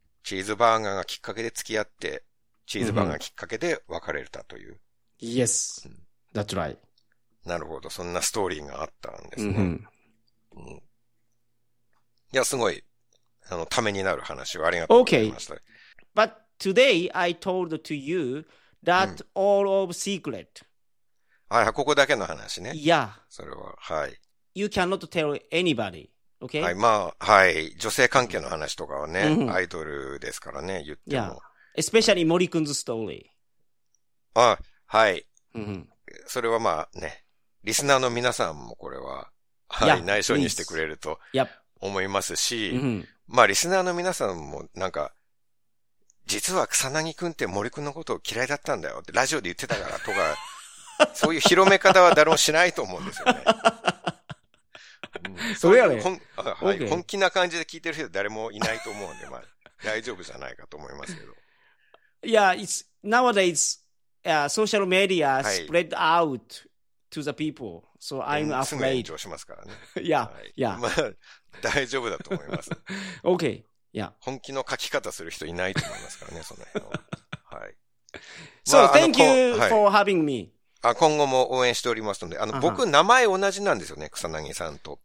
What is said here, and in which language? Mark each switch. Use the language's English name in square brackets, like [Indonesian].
[Japanese] チーズバーガーがきっかけで付き合って、チーズバーガーきっかけで別れたという。 [English] Yes, that's right. [Japanese] なるほど。そんなストーリーがあったんですね。うん。いや、すごい、ためになる話をありがとうございました。 [English] Okay. But... Today, I told to you that all of secret.、う [Japanese] ん、ああ、ここだけの話ね。いや。それは、はい。 [English] You cannot tell anybody, okay? [Japanese] はい、まあ、はい。女性関係の話とかはね、うん、アイドルですからね、言っても。いや。 [English] Especially 森くんのストーリー。 [Japanese] あ、はい、うん。それはまあね、リスナーの皆さんもこれは、はい、内緒にしてくれると思いますし、うん、まあ、リスナーの皆さんもなんか、実は草薙くんって森くんのことを嫌いだったんだよってラジオで言ってたからとか、そういう広め方は誰もしないと思うんですよね。うん、そうやね、はい、okay. 本気な感じで聞いてる人誰もいないと思うんで、まあ大丈夫じゃないかと思いますけど。いや、 [English] it's nowadays, social media spread out to the people, so I'm afraid. [Japanese] すぐ炎上しますからね。いや、いや。まあ、大丈夫だと思います。 [English] okay. Yeah. [Japanese] 本気の書き方する人いないと思いますからね、その辺は。はい。 [English] So, thank you for having me. [Japanese] 今後も応援しておりますので、僕、名前同じなんですよね、草薙さんと。